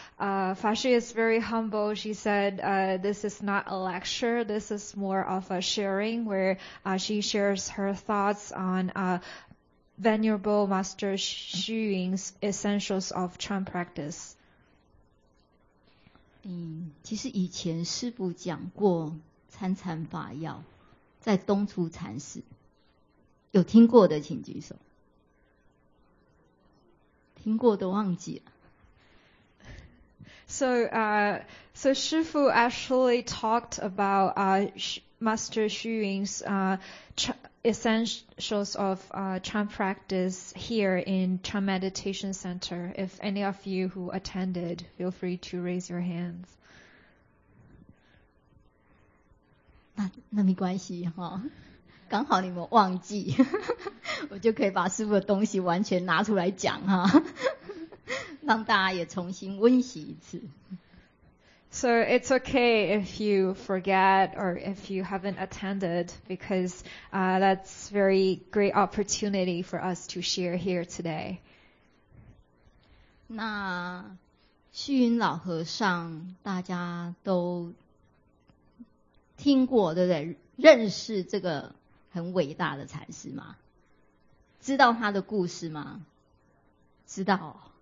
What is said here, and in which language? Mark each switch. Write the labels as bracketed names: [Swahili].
[English] Fashi is very humble. She said this is not a lecture. This is more of a sharing where she shares her thoughts on Venerable Master Xu Yun's Essentials of Chan Practice. [Chinese] 其实以前师父讲过参禅法要，在东出禅寺有听过的请举手，听过的忘记了。 [English] So 师父 actually talked about Master Xu Yun's Essentials of Chan Practice here in Chan Meditation Center. If any of you who attended, feel free to raise your hands. [Chinese] 那没关系哈，刚好你们忘记，我就可以把师父的东西完全拿出来讲哈，让大家也重新温习一次。 [English] So it's okay if you forget or if you haven't attended, because that's very great opportunity for us to share here today. [Chinese] 那虚云老和尚大家都听过对不对？认识这个很伟大的禅师吗？知道他的故事吗？知道。